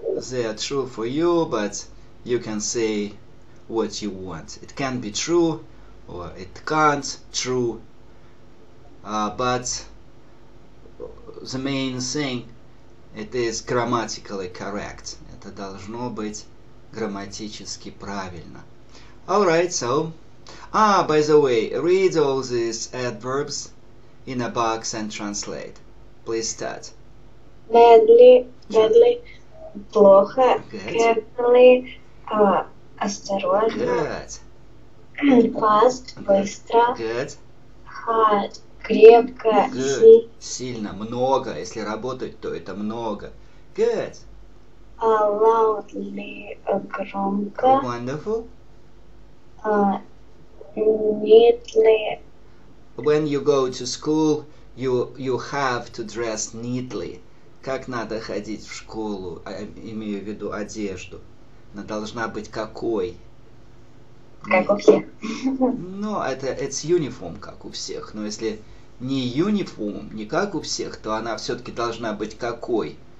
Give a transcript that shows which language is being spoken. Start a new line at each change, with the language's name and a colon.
English: They are true for you, but you can say what you want. It can be true or it can't true. But the main thing, it is grammatically correct.
Russian: Это должно быть грамматически правильно.
English: All right, so. By the way, read all these adverbs in a box and translate. Please start. Badly, Sure. badly, плохо, Good. carefully, осторожно, Good. fast, Good.
Russian: быстро,
English: Good. hard, крепко, Good.
Russian: сильно, Сильно, много. Если работать, то это много.
English: Good. loudly, громко, Wonderful. neatly. When you go to school, you have to dress neatly.
Russian: Как надо ходить в школу, имею в виду одежду. Она должна быть какой? Как у Не, всех. ну, это uniform, как у всех. Но если не uniform, не как у всех, то она все-таки должна быть какой?